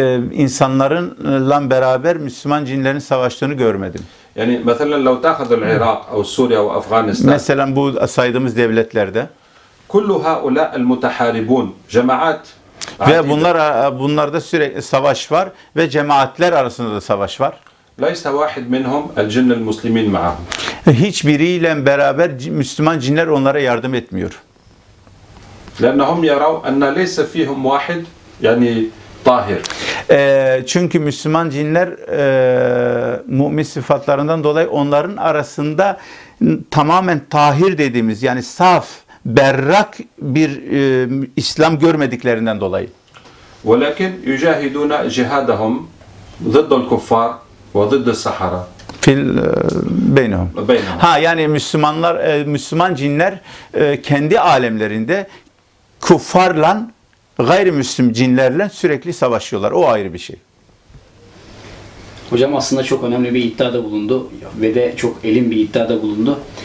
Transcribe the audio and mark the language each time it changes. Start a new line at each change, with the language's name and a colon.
Turkish: İnsanlarınla beraber Müslüman cinlerin savaştığını görmedim. Yani mesela
Arabic: لو تاخذ العراق او سوريا او افغانستان.
Turkish: Mesela bu saydığımız devletlerde
Arabic: kullu ha'ula el mutaharibun cemaat.
Turkish: Ve bunlarda sürekli savaş var ve cemaatler arasında da savaş var.
Arabic: ليس واحد منهم الجن المسلمين معهم.
Turkish: Hiçbiriyle beraber Müslüman cinler onlara yardım etmiyor.
Arabic: لأنهم يروا أن ليس فيهم واحد يعني طاهر.
Turkish: Çünkü Müslüman cinler mümin sıfatlarından dolayı onların arasında tamamen tahir dediğimiz yani saf, berrak bir İslam görmediklerinden dolayı.
Arabic: ولكن يجاهدون جهادهم ضد الكفار وضد السحرة في بينهم.
Turkish: Ha yani Müslümanlar Müslüman cinler kendi alemlerinde kuffarla gayrimüslim cinlerle sürekli savaşıyorlar. O ayrı bir şey. Hocam aslında çok önemli bir iddiada bulundu ve de çok elin bir iddiada bulundu.